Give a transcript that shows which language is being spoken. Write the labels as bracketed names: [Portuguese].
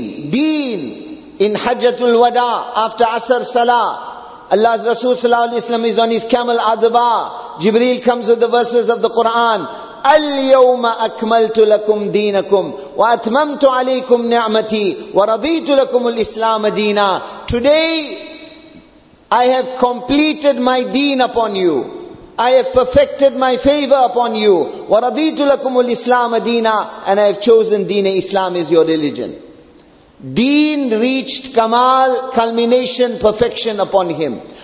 [English] Deen, in Hajjatul Wada, after Asr Salah, Allah's Rasul sallallahu alayhi wa sallam is on his camel Adba. Jibreel comes with the verses of the Quran. [Arabic] اليوم أكملت لكم دينكم وأتممت عليكم نعمتي ورضيت لكم الإسلام دينا. [English] Today I have completed my deen upon you. I have perfected my favor upon you. [Arabic] ورضيت لكم الإسلام دينا. [English] And I have chosen deen. Islam is your religion. Deen reached kamal, culmination, perfection upon him.